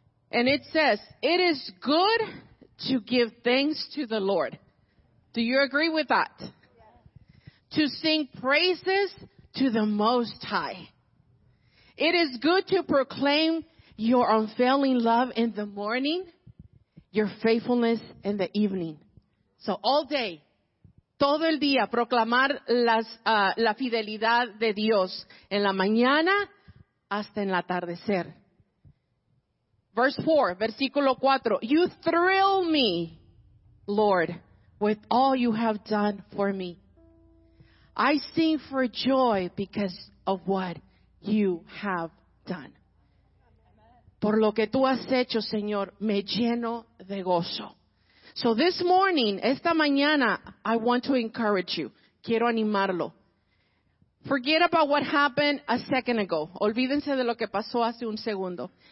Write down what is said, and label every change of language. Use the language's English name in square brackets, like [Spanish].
[English] And it says, it is good to give thanks to the Lord. Do you agree with that? Yes. To sing praises to the Most High. It is good to proclaim your unfailing love in the morning, your faithfulness in the evening. So all day, [Spanish] todo el día, proclamar la fidelidad de Dios en la mañana hasta en el atardecer. [English] Verse 4, [Spanish] versículo 4. [English] You thrill me, Lord, with all you have done for me. I sing for joy because of what you have done. [Spanish] Por lo que tú has hecho, Señor, me lleno de gozo. [English] So this morning, [Spanish] esta mañana, [English] I want to encourage you. [Spanish] Quiero animarlo. [English] Forget about what happened a second ago. [Spanish] Olvídense de lo que pasó hace un segundo.